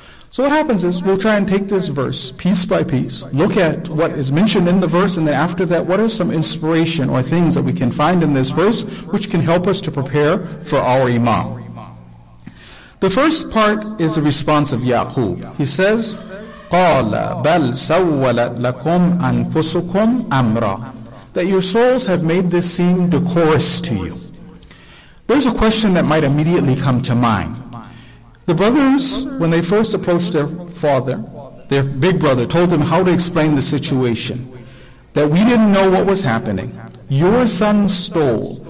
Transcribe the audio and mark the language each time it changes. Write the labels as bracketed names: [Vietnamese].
[English] So what happens is, we'll try and take this verse piece by piece, look at what is mentioned in the verse, and then after that, what are some inspiration or things that we can find in this verse which can help us to prepare for our imam. The first part is the response of Ya'qub. He says, [Arabic] قَالَ بَلْ سَوَّلَتْ لَكُمْ أَنفُسُكُمْ أَمْرًا. [English] That your souls have made this seem decorous to you. There's a question that might immediately come to mind. The brothers, when they first approached their father, their big brother, told them how to explain the situation. That we didn't know what was happening. Your son stole.